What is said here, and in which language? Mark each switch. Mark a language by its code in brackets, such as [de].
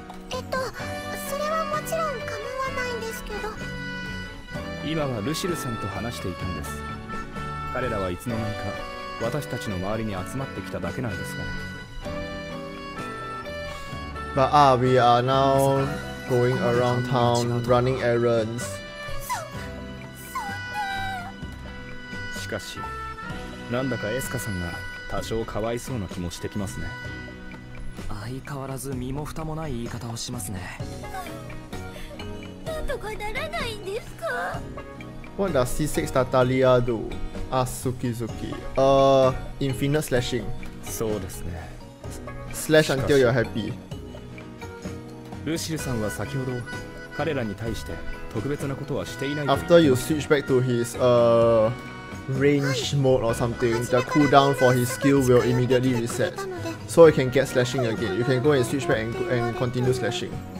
[ja] それはもちろん構わないんですけど。今はルシルさんと話していたんです。彼らはいつの間にか私たちの周りに集まってきただけなんですが。 [en] But ah, we are now going around town, running errands. [ja] しかし、なんだかエスカさんが多少かわいそうな気もしてきますね。相変わらず身も蓋もない言い方をしますね。なんとかならないんですか。 [en] What does C6 Tatalia do? Ah, Suki Suki. Infinite slashing. [ja] そうですね。 [en] Slash until you're happy. [ja] ルシルさんは先ほど彼らに対して特別なことはしていない。 [en] After you switch back to his range mode or something, the cooldown for his skill will immediately reset, so you can get slashing again. You can go and switch back and continue slashing.